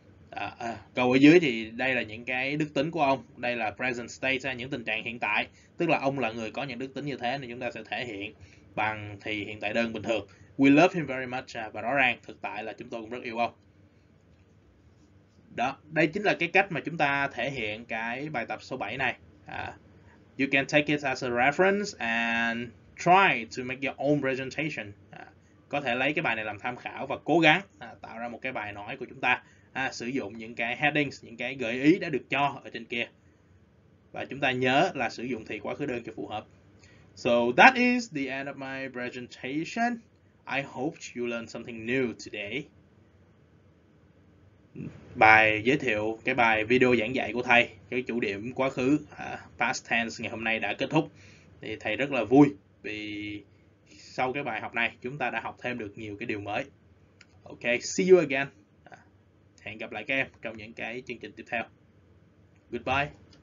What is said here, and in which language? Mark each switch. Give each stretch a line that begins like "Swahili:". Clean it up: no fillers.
Vietnamese: À, câu ở dưới thì đây là những cái đức tính của ông. Đây là
English: present state,
Vietnamese: những tình trạng hiện tại. Tức là ông là người có những đức tính như thế nên chúng ta sẽ thể hiện bằng thì hiện tại đơn bình thường.
English: We love him very much.
Vietnamese: Và rõ ràng thực tại là chúng tôi cũng rất yêu ông. Đó, đây chính là cái cách mà chúng ta thể hiện cái bài tập số 7 này. À,
English: You can take it as a reference and try to make your own presentation.
Vietnamese: Có thể lấy cái bài này làm tham khảo và cố gắng tạo ra một cái bài nói của chúng ta. Sử dụng những cái headings, những cái gợi ý đã được cho ở trên kia. Và chúng ta nhớ là sử dụng thì quá khứ đơn cho phù hợp.
English: So that is the end of my presentation. I hope you learned something new today.
Vietnamese: Bài giới thiệu, cái bài video giảng dạy của thầy, cái chủ điểm quá khứ, past tense ngày hôm nay đã kết thúc. Thì thầy rất là vui vì sau cái bài học này chúng ta đã học thêm được nhiều cái điều mới.
English: Ok, see you again.
Vietnamese: Hẹn gặp lại các em trong những cái chương trình tiếp theo.
English: Goodbye.